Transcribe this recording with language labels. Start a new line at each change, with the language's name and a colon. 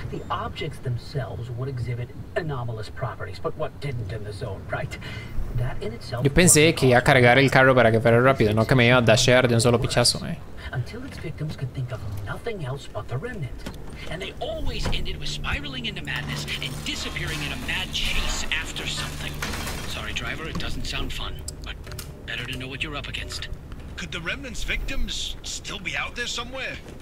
English: The objects themselves would exhibit anomalous properties, but what didn't in the zone, right? That in itself.
Spanish: Yo pensé que iba a cargar el carro para que fuera rápido, no que me iba a dashear de un solo pichazo,
English: Until its victims could think of nothing else but the remnant. And they always ended with spiraling into madness and disappearing in a mad chase after something. Sorry, driver, it doesn't sound fun, but better to know what you're up against. Could the remnant's victims still be out there somewhere?